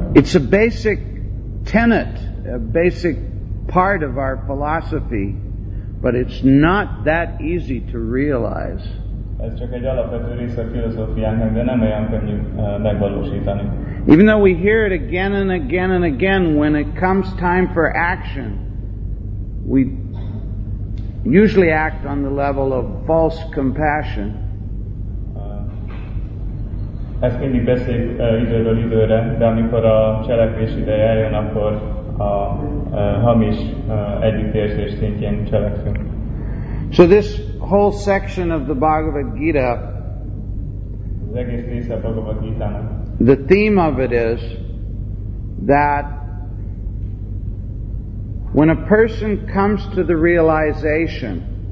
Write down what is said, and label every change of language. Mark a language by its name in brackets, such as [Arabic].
[English] It's a basic tenet, a basic part of our philosophy, but it's not that easy to realize. [Hungarian] Ez csak egy alapvető része a filozófiánknak, de nem olyan könnyű megvalósítani. [English] Even though we hear it again and again and again, when it comes time for action, we usually act on the level of false compassion. [Hungarian] Ezt mindig beszéljük időről időre, de amikor a cselekvés ideje eljön, akkor a hamis együttérzés szintjén cselekszünk. [English] So this whole section of the Bhagavad Gita, [Hungarian] az egész része a Bhagavad Gita-nak, [English] the theme of it is that when a person comes to the realization,